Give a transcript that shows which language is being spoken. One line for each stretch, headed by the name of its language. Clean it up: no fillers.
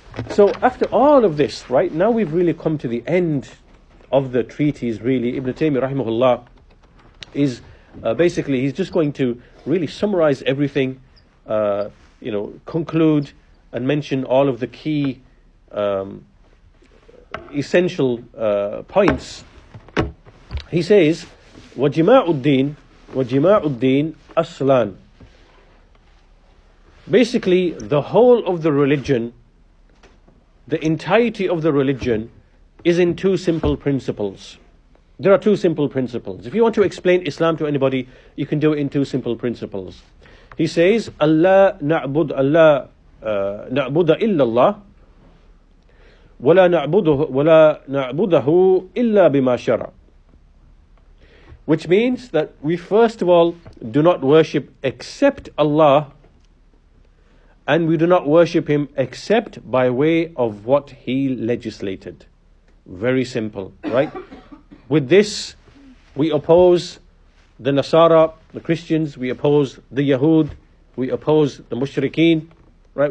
English: So after all of this, right, now we've really come to the end of the treatise, really. Ibn Taymiyyah, rahimahullah, is basically, he's just going to really summarize everything, you know, conclude and mention all of the key essential points. He says,
Arabic: وَجِمَاعُ الدِّينِ وَجِمَاعُ الدِّينِ أَصْلًا.
English: Basically, the whole of the religion, the entirety of the religion, is in two simple principles. There are two simple principles. If you want to explain Islam to anybody, you can do it in two simple principles. He says,
Arabic: أَلَّا نَعْبُدَ إِلَّا اللَّهِ وَلَا نَعْبُدَهُ إِلَّا بِمَا شَرَعَ.
English: Which means that we first of all do not worship except Allah, and we do not worship Him except by way of what He legislated. Very simple, right? With this, we oppose the Nasara, the Christians, we oppose the Yahud, we oppose the Mushrikeen, right?